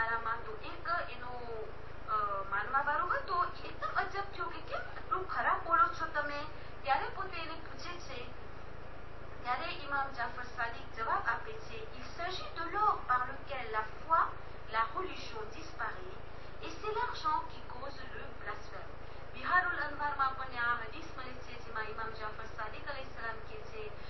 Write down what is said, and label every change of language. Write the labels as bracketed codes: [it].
[gu] માનવા વાળો હતો, એકદમ અજબ થયો કે કેમ એટલું ખરાબ બોલો છો તમે. ત્યારે પોતે એને પૂછે છે, ત્યારે ઇમામ જાફર સાદિક જવાબ આપે છે, [fr] il s'agit de l'or par lequel la foi, la religion disparaît et c'est l'argent qui cause le blasphème. [gu] બિહારુલ અનવારમાં પણ આ હદીસ મળે છે જેમાં ઇમામ જાફર સાદિક અલી સલામ કહે છે